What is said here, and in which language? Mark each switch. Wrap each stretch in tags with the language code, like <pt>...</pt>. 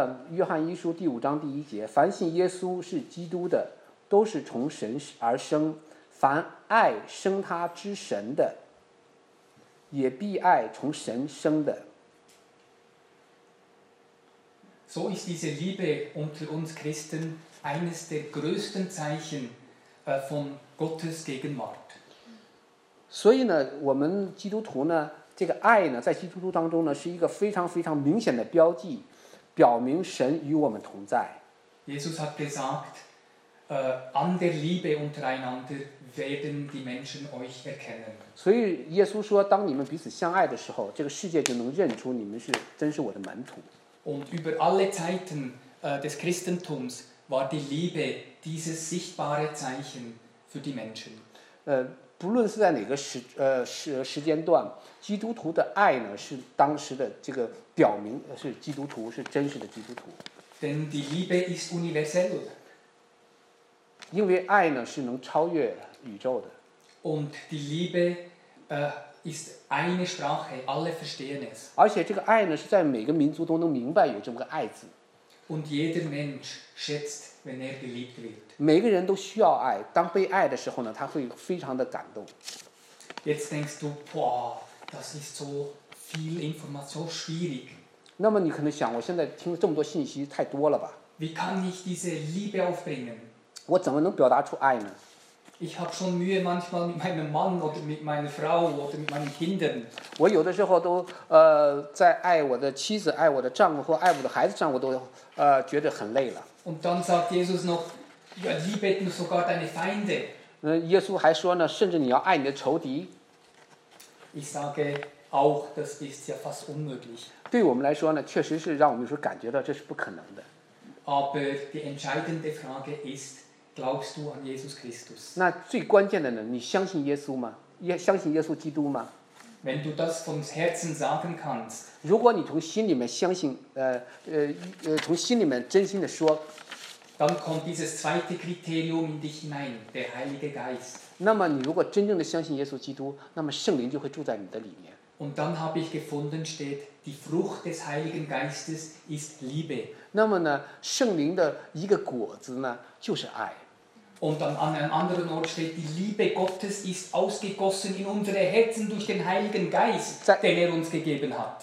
<zh>约翰一书第五章第一节，凡信耶稣是基督的，都是从神而生，凡爱生他之神的，也必爱从神生的。</zh> <de>So ist diese Liebe unter uns Christen eines der größten Zeichen von Gottes Gegenwart.</de> <zh>所以呢，我们基督徒呢，这个爱呢，在基督徒当中呢，是一个非常非常明显的标记，表明神与我们同在。</zh> <de>Jesus hat gesagt, an der Liebe untereinander werden die Menschen euch erkennen.</de> <zh>所以耶稣说，当你们彼此相爱的时候，这个世界就能认出你们是真是我的门徒。</zh> <de>Und über alle Zeiten des Christentums war die Liebe dieses sichtbare Zeichen für die Menschen.</de> <zh>不论是在哪个 时间段，基督徒的爱呢，是当时的这个表明是基督徒，是真实的基督徒。</zh> <de>Denn die Liebe ist universell.</de> <zh>因为爱呢是能超越宇宙的。</zh> <de>Und die Liebe ist eine Sprache, alle verstehen es.</de> <zh>而且这个爱呢是在每个民族都能明白有这么个爱字。</zh> <de>Und jeder Mensch schätzt, wenn er geliebt wird.</de> <zh>每个人都需要爱，当被爱的时候呢，他会非常的感动。</zh> <de>Jetzt denkst du, boah, das ist so viel Information, schwierig.</de> <zh>那么你可能想，我现在听了这么多信息，太多了吧？</zh> <de>Wie kann ich diese Liebe aufbringen?</de> <zh>我怎么能表达出爱呢？</zh> <de>Ich habe schon Mühe manchmal mit meinem Mann oder mit meiner Frau oder mit meinen Kindern.</de> <zh>我有的时候都在爱我的妻子、爱我的丈夫或爱我的孩子上，我都觉得很累了。</zh> <de>Und dann sagt Jesus noch,Ja, liebe sogar deine Feinde.</de> <zh>耶稣还说呢，甚至你要爱你的仇敌。</zh> <de>Ich sage auch, das ist ja fast unmöglich.</de> <zh>对我们来说呢，确实是让我们有时候感觉到这是不可能的。</zh> <de>Aber die entscheidende Frage ist, glaubst du an Jesus Christus?</de> <zh>那最关键的呢，你相信耶稣吗？相信耶稣基督吗？</zh> <de>Wenn du das vom Herzen sagen kannst.</de> <zh>如果你从心里面相信，从心里面真心的说。</zh> <de>Dann kommt dieses zweite Kriterium in dich hinein, der Heilige Geist.</de> <zh>那么你如果真正的相信耶稣基督，那么圣灵就会住在你的里面。</zh> <de>Und dann habe ich gefunden, steht, die Frucht des Heiligen Geistes ist Liebe.</de> <zh>那么呢，圣灵的一个果子呢，就是爱。</zh> <de>Und dann an einem anderen Ort steht, die Liebe Gottes ist ausgegossen in unsere Herzen durch den Heiligen Geist, den er uns gegeben hat.</de>